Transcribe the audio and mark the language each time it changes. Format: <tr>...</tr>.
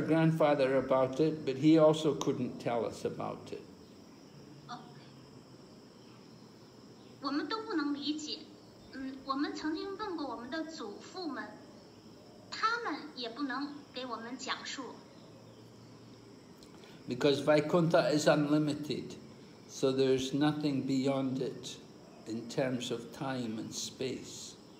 <en>Yeah, we asked our grandfather about it, but he also couldn't tell us about it.</en> <zh>我们都不能理解，我们曾经问过我们的祖父们，他们也不能给我们讲述。</zh> <en>because Vaikuntha is unlimited, so there's nothing beyond it in terms of time and space.</en>